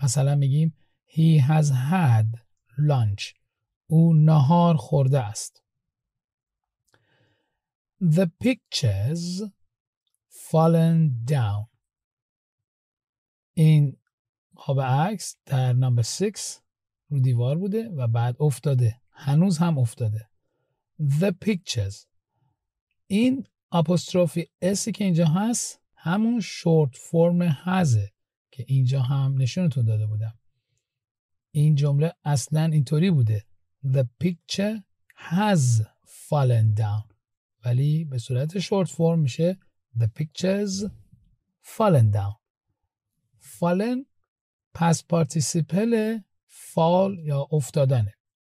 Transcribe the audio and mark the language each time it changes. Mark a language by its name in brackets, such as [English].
[Persian] مثلا میگیم [English] he has had lunch، [Persian] او نهار خورده است. [English] The pictures fallen down. [Persian] این خواب عکس در نمبر 6 رو دیوار بوده و بعد افتاده. هنوز هم افتاده. [English] The pictures. [Persian] این apostrophe S که اینجا هست همون short form هزه که اینجا هم نشونتون داده بودم. این جمله اصلا اینطوری بوده. [English] The picture has fallen down. [Persian] ولی به صورت short form میشه [English] The pictures fallen down. [Persian] Fallen past participle fall یا افتادنه.